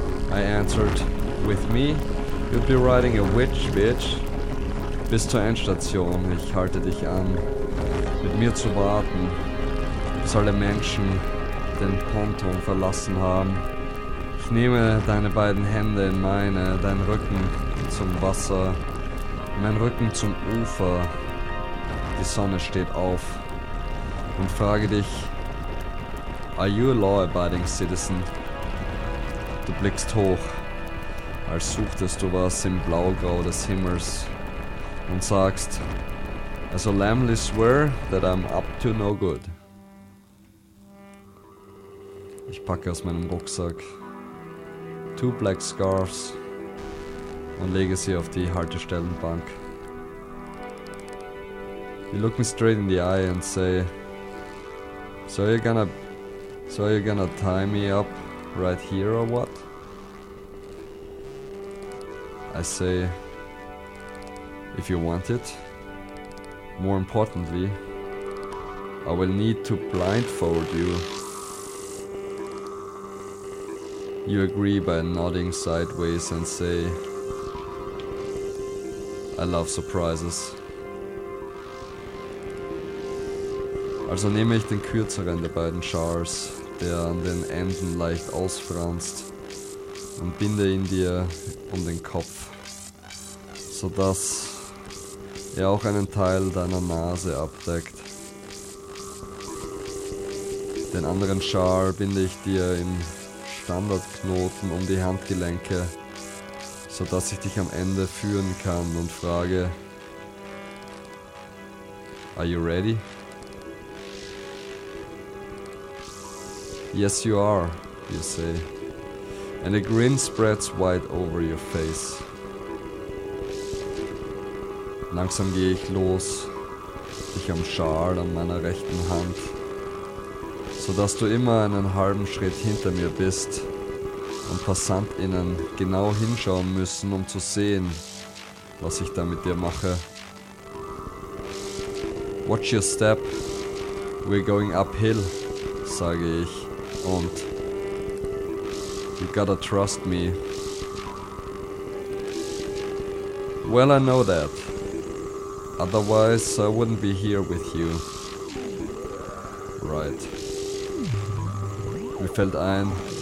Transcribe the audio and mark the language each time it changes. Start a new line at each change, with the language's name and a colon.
English: I answered, with me, you'd be riding a witch, bitch.
German: Bis zur Endstation, ich halte dich an. Mit mir zu warten, bis alle Menschen den Ponton verlassen haben. Ich nehme deine beiden Hände in meine, dein Rücken zum Wasser, mein Rücken zum Ufer. Die Sonne steht auf und frage dich,
English: are you a law-abiding citizen?
German: Du blickst hoch, als suchtest du was im Blaugrau des Himmels und sagst,
English: I solemnly swear that I'm up to no good.
German: Ich packe aus meinem Rucksack
English: 2 black scarves
German: und lege sie auf die Haltestellenbank.
English: You look me straight in the eye and say, so you're gonna tie me up right here or what? I say, if you want it, more importantly, I will need to blindfold you. You agree by nodding sideways and say, I love surprises.
German: Also nehme ich den kürzeren der beiden Schals, der an den Enden leicht ausfranst, und binde ihn dir um den Kopf, sodass er auch einen Teil deiner Nase abdeckt. Den anderen Schal binde ich dir in Standardknoten um die Handgelenke, sodass ich dich am Ende führen kann und frage,
English: are you ready? Yes, you are, you say. And a grin spreads wide over your face.
German: Langsam gehe ich los, dich am Schal an meiner rechten Hand, sodass du immer einen halben Schritt hinter mir bist und PassantInnen genau hinschauen müssen, um zu sehen, was ich da mit dir mache.
English: Watch your step, We're going uphill,
German: sage ich. Und
English: you gotta trust me. Well, I know that. Otherwise, I wouldn't be here with you. Right.
German: Mir fällt ein.